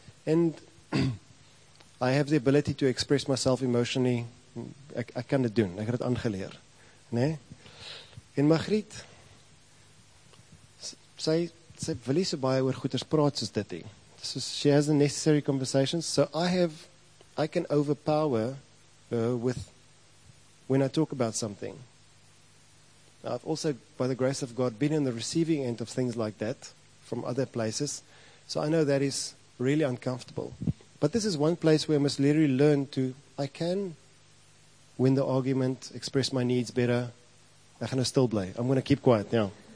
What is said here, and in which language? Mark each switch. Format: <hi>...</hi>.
<en>And I have the ability to express myself emotionally. I can do it. I got it aangeleer.</en> <af>Né? En Magriet, sy wil nie so baie oor goeders praat soos dit nie.</af> <en>So she has the necessary conversations. So I can overpower her with when I talk about something. I've also, by the grace of God, been in the receiving end of things like that from other places. So I know that is really uncomfortable. But this is one place where I must literally learn to, I can win the argument, express my needs better. I'm going to still play. I'm going to keep quiet now.</en>